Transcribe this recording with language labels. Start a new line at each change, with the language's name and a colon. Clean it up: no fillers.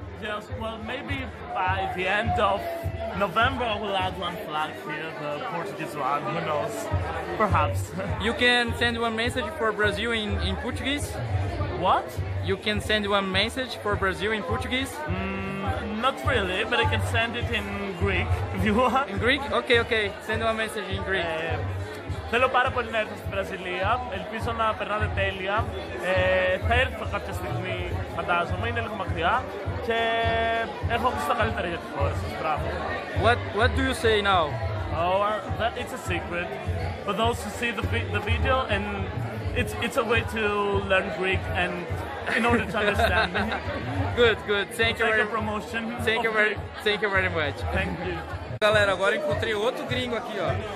English: Yes, well, maybe by the end of November I will add one flag here, the Portuguese one. Who knows? Perhaps. You can send one message for Brazil in Portuguese. What? You can send one message for Brazil in Portuguese? Not really, but I can send it in Greek if you want. In Greek? Okay. Send one message in Greek.
Greek: Θέλω πάρα πολύ να έρθω στη Βραζιλία. Ελπίζω να περνάτε τέλεια. Θα έρθω κάποια στιγμή, φαντάζομαι, είναι λίγο μακριά. Και έχω ακούσει τα καλύτερα για τη χώρα σας. Μπράβο.
English: What do you say now? Oh, that it's a secret. For those who see the video and it's a way to learn Greek and in order to understand. Good. Thank you. Take a promotion. Thank you very much. Thank you.
Portuguese: Galera, agora encontrei outro gringo aqui, ó.